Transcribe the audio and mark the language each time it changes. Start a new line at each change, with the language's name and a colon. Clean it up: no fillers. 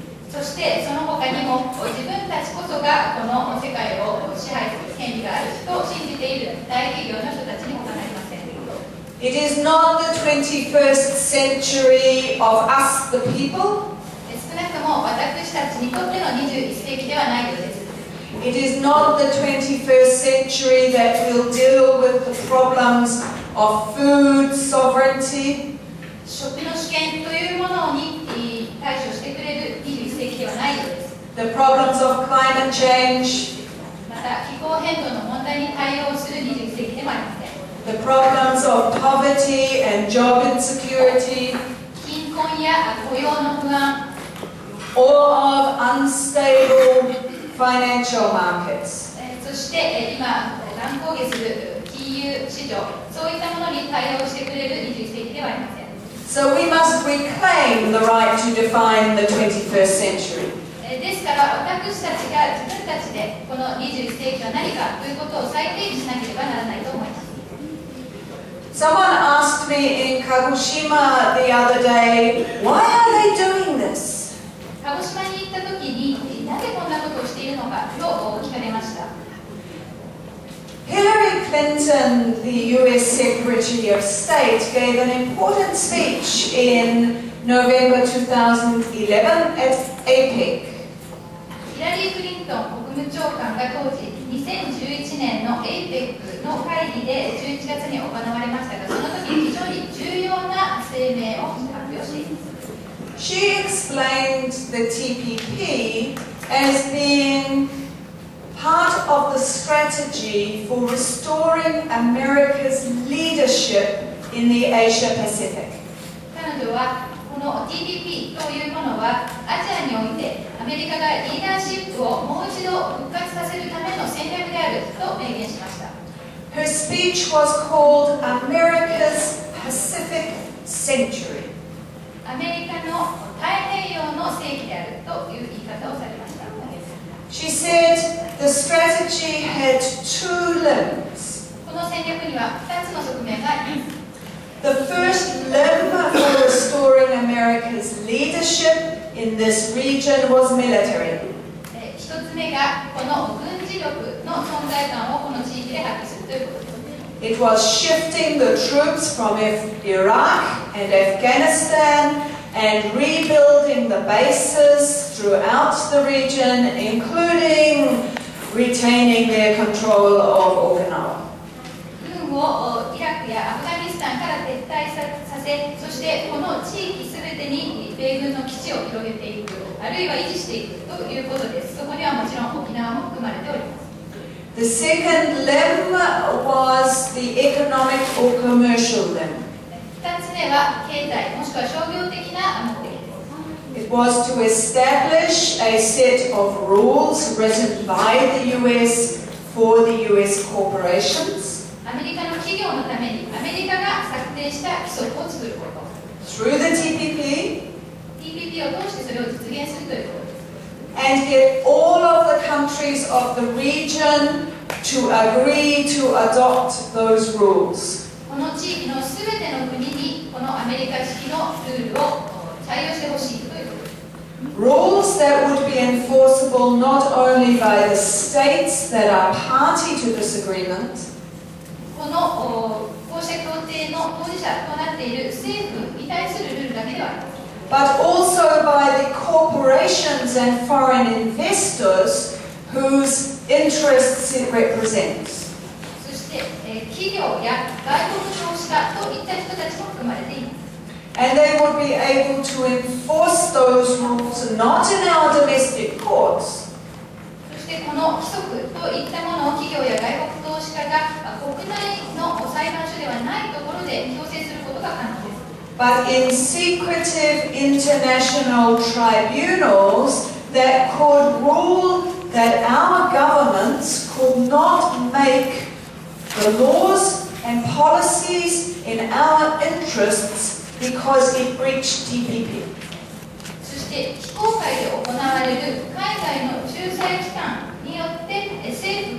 Japanese: そしてその他にも自分たちこそがこの世界を支配する権利があると信じている大企業の人たちにもかないません。
English: It is not the 21st century of us, the people.
Japanese: 少なくとも私たちにとっての21世紀ではないようです。
English: It is not the 21st century that will deal with the problems of food sovereignty.
Japanese: 食の主権というものに対処してくれる21世紀ではないようです。
English: The problems of climate change.
Japanese: また気候変動の問題に対応する21世紀でもありません。
English: The problems of poverty and job insecurity.
Japanese: 貧困や雇用の不安。
English: All of unstable financial markets.
Japanese: そして今乱高下する金融市場、そういったものに対応してくれる21世紀ではありません。
English: So we must reclaim the right to define the 21st century.
Japanese: ですから私たちが自分たちでこの21世紀は何かということを再定義しなければならないと思います。
English: Someone asked me in Kagoshima the other day, why are they doing this?
Japanese: 鹿児島に行った時になぜこんなことをしているのかと聞かれました。
English: Hillary Clinton, the U.S. Secretary of State, gave an important speech in November 2011 at APEC.
Japanese: ヒラリー・クリントン国務長官が当時2011年の APEC の会議で11月に行われましたが、その時非常に重要な声明を発表しています。
English: She explained the TPP as being part of the strategy for restoring America's leadership in the Asia Pacific.
Japanese: 彼女はこの TPP というものはアジアにおいてアメリカがリーダーシップをもう一度復活させるための戦略であると明言しました。
English: Her speech was called America's Pacific Century.
Japanese: アメリカの太平洋の世紀であるという言い方をされました。
English: She said the strategy had two limbs.
Japanese: この戦略には2つの側面があります。
English: The first limb for restoring America's leadership in this region was military.
Japanese: 一つ目がこの軍事力の存在感をこの地域で発揮するということです。
English: It was shifting the troops from Iraq and Afghanistan and rebuilding the bases throughout the region, including retaining their control of Okinawa.
Japanese: イラクやアフガニスタンから撤退させ、そしてこの地域すべてに米軍の基地を広げていく、あるいは維持していくということです。そこにはもちろん沖縄も含まれております。
English: The second limb was the economic or commercial limb.
Japanese: 2つ目は経済もしくは商業的な目的です。
English: It was to establish a set of rules written by the U.S. for the U.S. corporations.
Japanese: アメリカの企業のためにアメリカが策定した規則を作ること。
English: Through the TPP,
Japanese: TPP を通してそれを実現するということです。
English: And get all of the countries of the region to agree to adopt those rules.
Japanese: この地域のすべての国にこのアメリカ式のルールを採用してほしいということです。
English: Rules that would be enforceable not only by the states that are party to this agreement.
Japanese: このこうした協定の当事者となっている政府に対するルールだけではありません。
English: But also by the corporations and foreign investors whose interests it represents.
Japanese: そして、企業や外国投資家といった人たちも含まれています。
English: And they would be able to enforce those rules not in our domestic courts.
Japanese: この規則といったものを企業や外国投資家が国内の裁判所ではないところで強制することが可能です。
English: But in secretive international tribunals that could rule that our governments could not make the laws and policies in our interests because it breached TPP.
Japanese: 非公開で行われる海外の仲裁機関によって政